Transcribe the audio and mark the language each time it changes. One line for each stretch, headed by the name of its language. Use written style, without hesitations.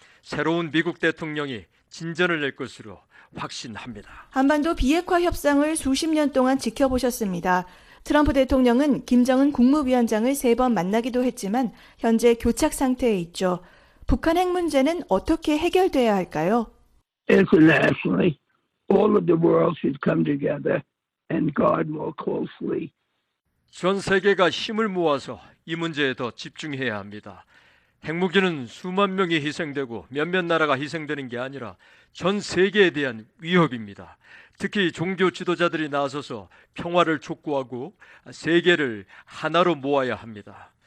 Korean: 새로운 미국 대통령이 진전을 낼 것으로 확신합니다. 한반도 비핵화 협상을 수십 년 동안 지켜보셨습니다. 트럼프 대통령은 김정은 국무위원장을 세 번 만나기도 했지만 현재 교착 상태에 있죠. 북한 핵 문제는 어떻게 해결돼야 할까요?
English: Internationally, all of the world should come together and guard more closely.
Korean: 전 세계가 힘을 모아서 이 문제에 더 집중해야 합니다. 핵무기는 수만 명이 희생되고 몇몇 나라가 희생되는 게 아니라 전 세계에 대한 위협입니다. 특히 종교 지도자들이 나서서 평화를 촉구하고 세계를 하나로 모아야 합니다.